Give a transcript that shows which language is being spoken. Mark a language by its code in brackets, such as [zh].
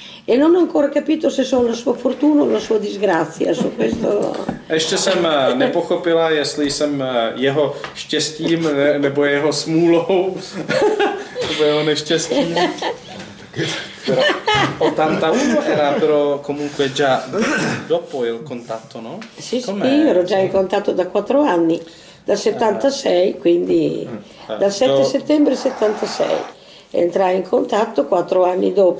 [it] E non ho ancora capito se sono la sua fortuna o la sua disgrazia su questo. [cs] Ještě jsem nepochopila, jestli jsem jeho štěstím nebo jeho smůlou. Nebo jeho neštěstím. [it] O tanta uno era però comunque già dopo il contatto, no? Sì, sì, ero già in contatto da 4 anni, dal 76, quindi dal 7 settembre 76. Entrai in contatto 4 anni dopo.